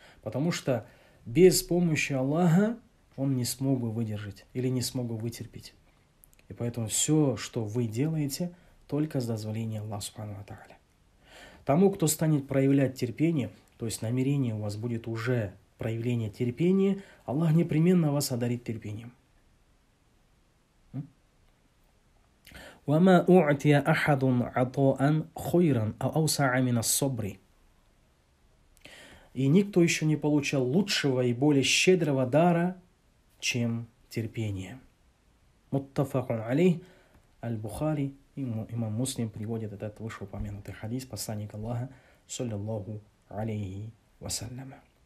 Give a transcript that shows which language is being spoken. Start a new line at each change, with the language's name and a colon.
Russian: Потому что без помощи Аллаха он не смог бы выдержать или не смог бы вытерпеть. И поэтому все, что вы делаете, только с дозволения Аллаха Субхану ва Тааля. Тому, кто станет проявлять терпение, то есть намерение у вас будет уже проявление терпения, Аллах непременно вас одарит терпением.
Arabic: وَمَا أُعْتِيَ أَحَدٌ عَطَوْاً خُيْرًا أَوْ أَوْسَعَ مِنَ الصَّبْرِ.
Russian: И никто еще не получал лучшего и более щедрого дара, чем терпение.
Arabic: مُتَّفَقٌ عَلَيْهِ
Russian: Аль-Бухари, имам Муслим приводит этот вышеупомянутый хадис посланника Аллаха, саллиллаху алейхи вассаляма.